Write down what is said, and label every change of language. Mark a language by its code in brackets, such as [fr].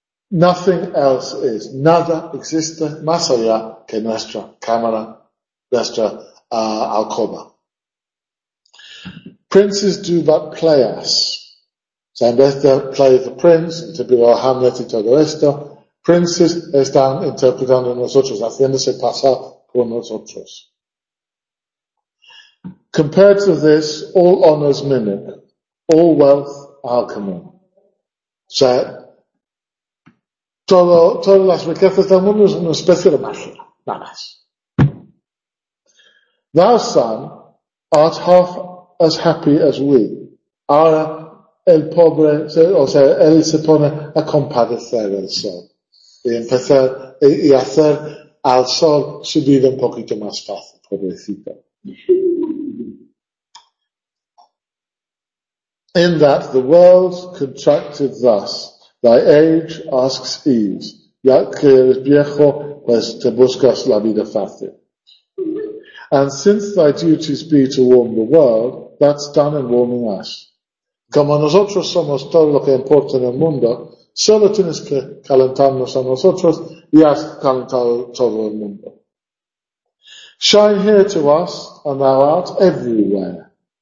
[en] Nothing else is. [es] Nada existe más allá que nuestra cámara, nuestra alcoba. [en] Princes do but play us. [es] O sea, en vez de [en] play the prince, [es] interpretó a Hamlet y todo esto, princes están interpretando a nosotros, haciéndose pasar por nosotros. [en] Compared to this, all honors mimic, all wealth alchemy. [es] O sea, todas las riquezas del mundo son una especie de magia, nada más. [en] Thou, son, art half as happy as we. [es] Ahora el pobre, o sea, él se pone a compadecer el sol y hacer al sol su vida un poquito más fácil, pobrecito. [en] In that the world contracted thus, thy age asks ease, [es] ya que eres viejo, pues te buscas la vida fácil. [en] And since thy duties be to warm the world, that's done in warming us. [es] Como nosotros somos todo lo que importa en el mundo, solo tienes que calentarnos a nosotros y has calentado todo el mundo. Shine here to us, and thou art everywhere.